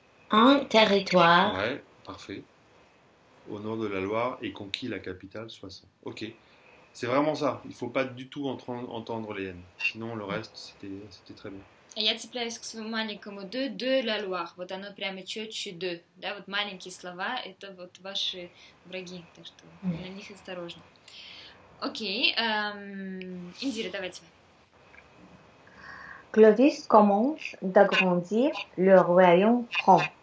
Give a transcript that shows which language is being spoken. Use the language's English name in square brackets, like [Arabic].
[French] Un territoire. Ouais, parfait. Au nord de la Loire et conquis la capitale Soissons. Ok. C'est vraiment ça. Il ne faut pas du tout entendre les N. Sinon, le reste, c'était très bien. Et je [Russian] цепляю к своему маленькому de la Loire. Вот оно прямо чуть-чуть de. Да, вот маленькие слова, это вот ваши враги. Так что на них осторожно. Ok. Индира, давайте. [French] Clovis commence d'agrandir le royaume franc.